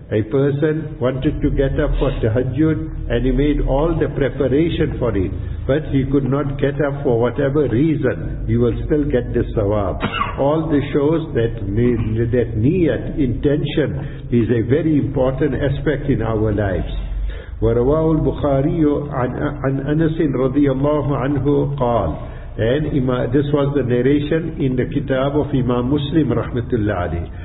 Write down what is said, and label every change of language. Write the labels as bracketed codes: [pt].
[en] A person wanted to get up for tahajjud and he made all the preparation for it, but he could not get up for whatever reason, he will still get the sawab. All this shows that niyat, intention, is a very important aspect in our lives. [ar] ورواه البخاري عن أنس رضي الله عنه قال. [en] And this was the narration in the kitab of Imam Muslim rahmatullah alayh.